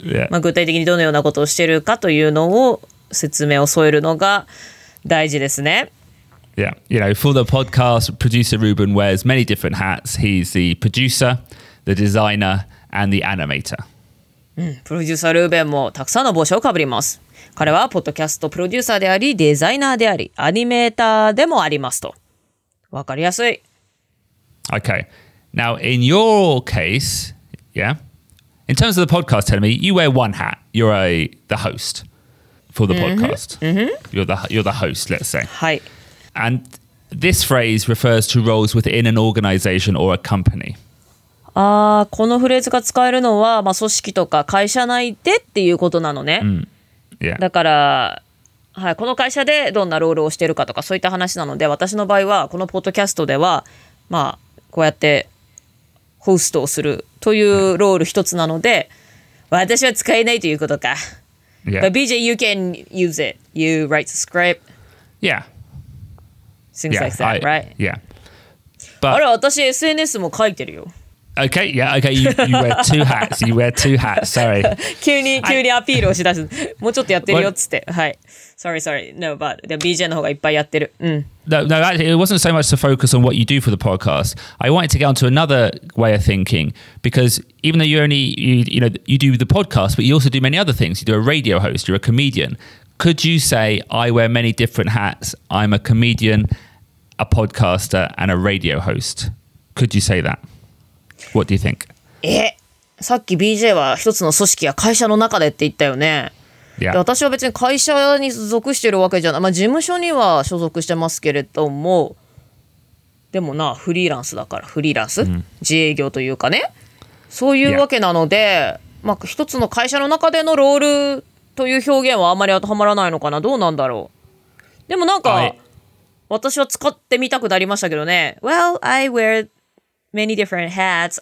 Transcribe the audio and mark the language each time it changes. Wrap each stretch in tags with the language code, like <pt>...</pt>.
<en>yeah.</en> <ja>まあ具体的にどのようなことをしているかというのを説明を添えるのが大事ですね。</ja> <en>Yeah, you know, for the podcast, producer Ruben wears many different hats. He's the producer, the designer, and the animator.</en> <ja>プロデューサールーベンもたくさんの帽子をかぶります。彼はポッドキャストプロデューサーであり、デザイナーであり、アニメーターでもありますと。わかりやすい。</ja> <en>Okay. Now, in your case, yeah, in terms of the podcast, tell me, you wear one hat. You're the host for the podcast. Mm-hmm. You're the host, let's say.</en> <ja>はい。</ja> <en>And this phrase refers to roles within an organization or a company.</en> <ja>ああ、このフレーズが使えるのは、まあ、組織とか会社内でっていうことなのね。</ja> <en>Yeah.</en> <ja>だから、はい、この会社でどんなロールをしてるかとかそういった話なので、私の場合はこのポッドキャストでは、まあ、こうやってホストをするというロール一つなので、yeah. 私は使えないということか。</ja> <en>Yeah. But BJ, you can use it. You write the script. Yeah. Seems yeah, like that, I, right? Yeah.</en> <ja>But, あれ、私 SNS も書いてるよ。</ja> <en>Okay, yeah, okay, you wear two hats, you wear two hats, sorry.</en> <ja>急にアピールをしだす。もうちょっとやってるよっつって。はい。</ja> <en>Sorry, no, but the</en> <ja>BJ の方がいっぱいやってる。うん。</ja> <en>No, actually, it wasn't so much to focus on what you do for the podcast. I wanted to get onto another way of thinking, because even though you do the podcast, but you also do many other things. You do a radio host, you're a comedian. Could you say, I wear many different hats. I'm a comedian, a podcaster, and a radio host. Could you say that? What do you think?</en> <ja>さっき BJ は一つの組織や会社の中でって言ったよね。</ja> <en>Yeah.</en> <ja>で私は別に会社に属してるわけじゃない。まあ事務所には所属してますけれども、でもな、フリーランスだから、フリーランス、mm. 自営業というかね。そういうわけなので、yeah. まあ一つの会社の中でのロール、という表現はあまり当てはまらないのかな。どうなんだろう。でもなんか私は使ってみたくなりましたけどね。</ja> <en>Well, I wear many different hats.</en>